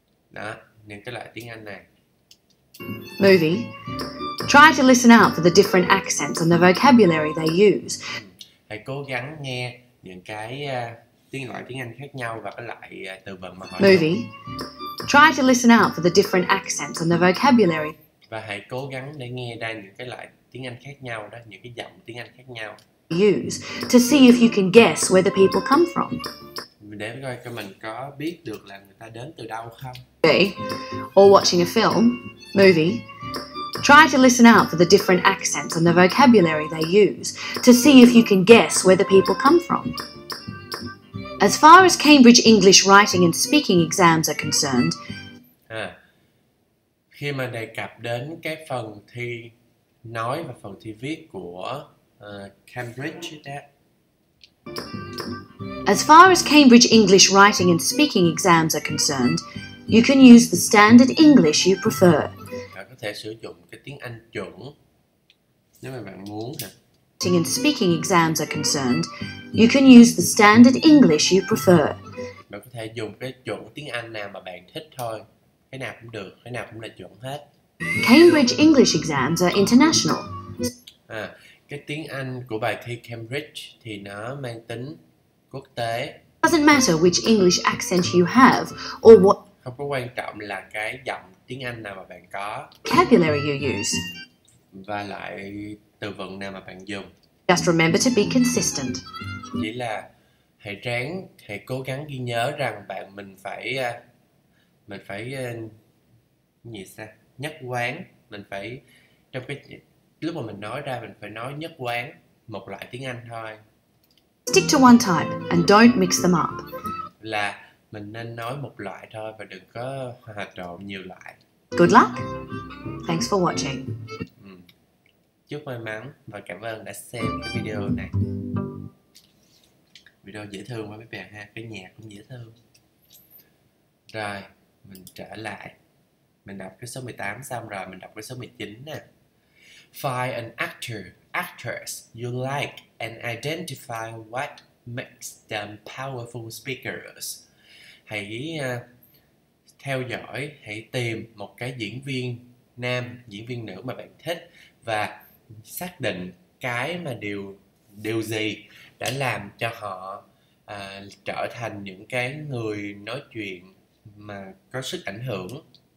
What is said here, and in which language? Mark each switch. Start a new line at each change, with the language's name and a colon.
Vietnamese: Đó, những cái loại tiếng Anh này.
English: Movie. Try to listen out for the different accents and the vocabulary they use.
Vietnamese: Hãy cố gắng nghe những cái tiếng loại tiếng Anh khác nhau và cái loại từ vựng mà họ dùng. Movie.
English: Try to listen out for the different accents and the vocabulary.
Vietnamese: Và hãy cố gắng để nghe ra những cái loại tiếng Anh khác nhau đó, những cái giọng tiếng Anh khác nhau.
English: Use to see if you can guess where the people come from.
Vietnamese: Để coi cho mình có biết được là người ta đến từ đâu không.
English: Okay. Or watching a film, movie. Try to listen out for the different accents and the vocabulary they use to see if you can guess where the people come from. As far as Cambridge English writing and speaking exams are concerned,
Vietnamese: khi mà đề cập đến cái phần thi nói và phần thi viết của Cambridge đó.
English: As far as Cambridge English writing and speaking exams are concerned, you can use the standard English you prefer.
Vietnamese: Có thể sử dụng cái tiếng Anh chuẩn nếu mà bạn muốn hả.
English: Writing and speaking exams are concerned, you can use the standard English you prefer.
Vietnamese: Bạn có thể dùng cái chuẩn tiếng Anh nào mà bạn thích thôi. Cái nào cũng được, cái nào cũng là chuẩn hết.
English: Cambridge English exams are international.
Vietnamese: Cái tiếng Anh của bài thi Cambridge thì nó mang tính quốc tế.
English: It doesn't matter which English accent you have or what.
Vietnamese: Không có quan trọng là cái giọng tiếng Anh nào mà bạn có.
English: Vocabulary you use.
Vietnamese: Và lại từ vựng nào mà bạn dùng.
English: Just remember to be consistent.
Vietnamese: Chỉ là hãy ráng, hãy cố gắng ghi nhớ rằng bạn mình phải gì sao? Nhất quán, mình phải trong cái lúc mà mình nói ra mình phải nói nhất quán một loại tiếng Anh thôi.
English: Stick to one type and don't mix them up.
Vietnamese: Là mình nên nói một loại thôi và đừng có hòa trộn nhiều loại.
English: Good luck. Thanks for watching.
Vietnamese: Chúc may mắn và cảm ơn đã xem cái video này. Video dễ thương quá mấy bạn ha, cái nhạc cũng dễ thương. Rồi, mình trở lại. Mình đọc cái số 18 xong rồi, mình đọc cái số 19 nè.
English: Find an actor, actress you like and identify what makes them powerful speakers.
Vietnamese: Hãy theo dõi, hãy tìm một cái diễn viên nam, diễn viên nữ mà bạn thích và xác định cái mà điều gì đã làm cho họ trở thành những cái người nói chuyện mà có sức ảnh hưởng.